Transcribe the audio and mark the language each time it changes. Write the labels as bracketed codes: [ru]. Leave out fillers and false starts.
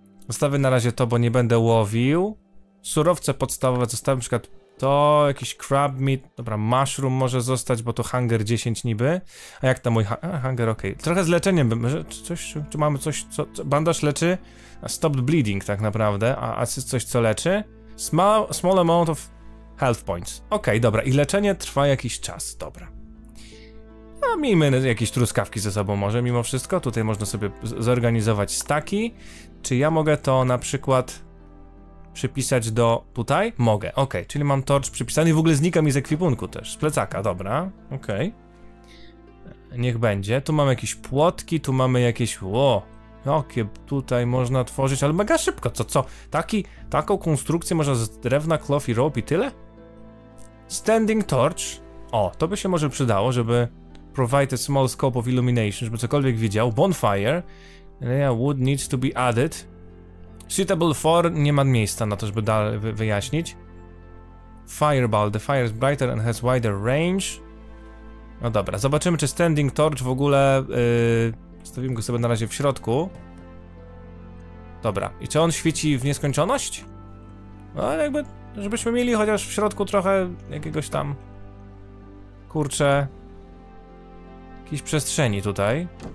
[pl] Zostawię na razie to, bo nie będę łowił. Surowce podstawowe zostawię, na przykład to, jakiś crab meat. Dobra, mushroom może zostać, bo to hunger 10 niby. A jak tam mój hunger, okej. Trochę z leczeniem bym, czy mamy coś, co bandaż leczy? Stopped bleeding tak naprawdę, a coś co leczy? [en] Small amount of health points. [pl] Okej, dobra, i leczenie trwa jakiś czas, dobra. No, miejmy jakieś truskawki ze sobą może mimo wszystko. Tutaj można sobie zorganizować staki. Czy ja mogę to na przykład przypisać do tutaj? Mogę, okej, czyli mam torch przypisany i w ogóle znika mi z ekwipunku też, z plecaka, dobra, okej. Niech będzie, tu mamy jakieś płotki, tu mamy jakieś, jakie tutaj można tworzyć, ale mega szybko, co? Taką konstrukcję można z drewna, cloth i rope i tyle? Standing torch, o, to by się może przydało, żeby provide a small scope of illumination, żeby cokolwiek widział, bonfire, yeah, wood needs to be added. Suitable for, nie ma miejsca na to, żeby dalej wyjaśnić. [en] Fireball, the fire is brighter and has wider range. [pl] No dobra, zobaczymy, czy standing torch w ogóle... stawimy go sobie na razie w środku. Dobra, i czy on świeci w nieskończoność? No ale jakby, żebyśmy mieli chociaż w środku trochę jakiegoś tam... Kurczę... Jakiejś przestrzeni tutaj.